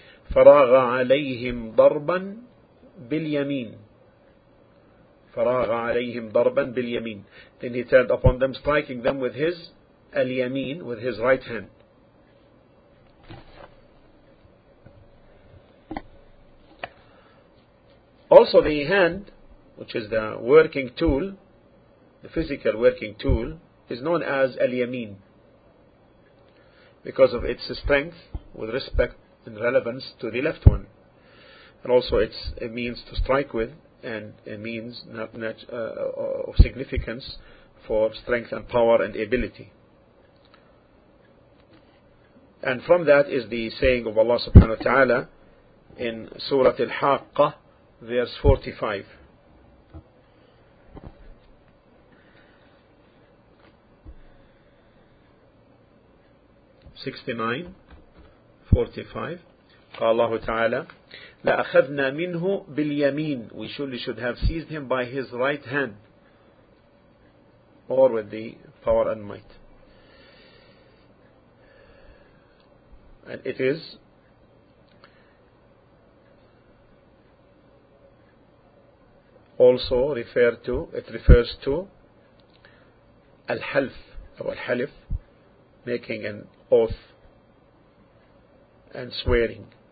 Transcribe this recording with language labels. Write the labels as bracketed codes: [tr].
[ar] فراغ عليهم ضربا باليمين. فراغ عليهم ضربا باليمين. [en] Then he turned upon them, striking them with his اليمين, with his right hand. Also, the hand, which is the working tool, the physical working tool, is known as al-yamin because of its strength with respect and relevance to the left one. And also it's a means to strike with, and a means of significance for strength and power and ability. And from that is the saying of Allah subhanahu wa ta'ala in Surah Al-Haqqah, verse 45. [ar] قال الله تعالى لأخذنا منه باليمين. [en] We surely should have seized him by his right hand, or with the power and might. And it is also referred to, it refers to al-half, or al-halif, making an oath and swearing.